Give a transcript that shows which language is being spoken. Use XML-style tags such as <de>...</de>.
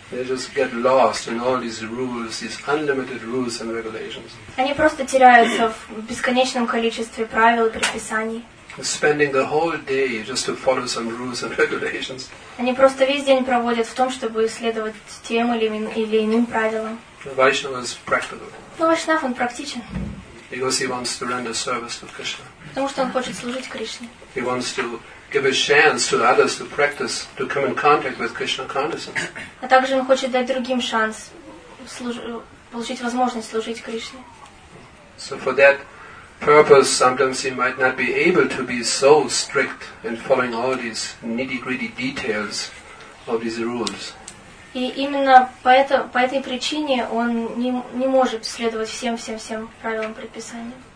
<en>They just get lost in all these rules, these unlimited rules and regulations.</en> <ru>Они просто теряются в бесконечном количестве правил и предписаний.</ru> <en>Spending the whole day just to follow some rules and regulations.</en> <ru>Они просто весь день проводят в том, чтобы следовать тем или иным правилам.</ru> <en>Vaishnava is practical.</en> <ru>Но Vaishnava, он практичен.</ru> <en>Because he wants to render service to Krishna.</en> <ru>Потому что он хочет служить Кришне.</ru> <en>He wants to give a chance to others to practice, to come in contact with Krishna consciousness.</en> <ru>А также он хочет дать другим шанс получить возможность служить Кришне.</ru> <en>So for that purpose, sometimes he might not be able to be so strict in following all these nitty-gritty details of these rules.</en> <ru>И именно по этой причине он не может следовать всем правилам предписания.</ru>